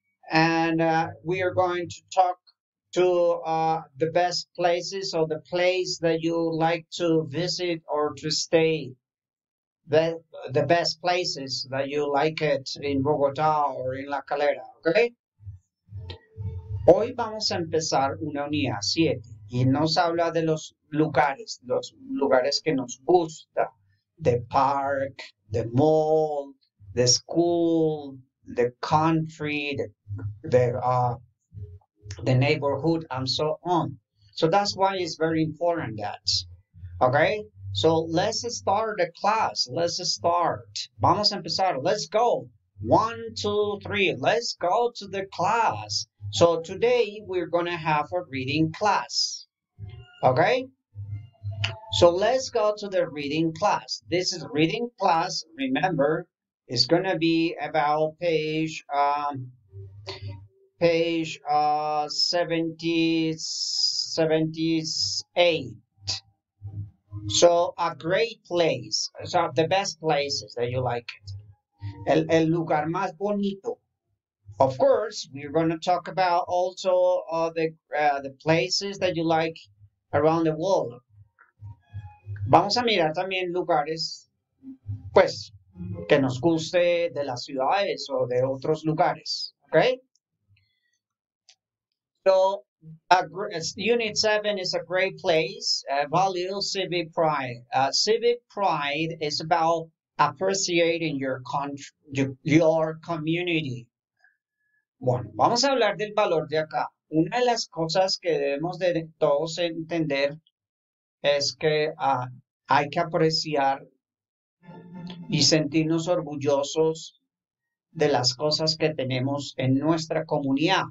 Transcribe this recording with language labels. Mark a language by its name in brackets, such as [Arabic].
[English] And we are going to talk to the best places or the place that you like to visit or to stay. The best places that you like it in Bogotá or in La Calera, okay? [Spanish] Hoy vamos a empezar una unidad 7 y nos habla de los lugares que nos gusta. [English] The park, the mall, the school, the country, the neighborhood, and so on. So that's why it's very important that. Okay? So let's start the class. Let's start. [Spanish] Vamos a empezar. [English] Let's go. One, two, three. Let's go to the class. So today we're going to have a reading class. Okay? So let's go to the reading class. This is reading class. Remember, it's going to be about page 78. So a great place. So the best places that you like it. [Spanish] El lugar más bonito. [English] Of course, we're going to talk about also the places that you like around the world. [Spanish] Vamos a mirar también lugares, pues, que nos guste de las ciudades o de otros lugares. [English] Okay? So, Unit 7 is a great place. Value civic pride. Civic pride is about appreciating your country, your community. [Spanish] Bueno, vamos a hablar del valor de acá. Una de las cosas que debemos de todos entender es que hay que apreciar y sentirnos orgullosos de las cosas que tenemos en nuestra comunidad.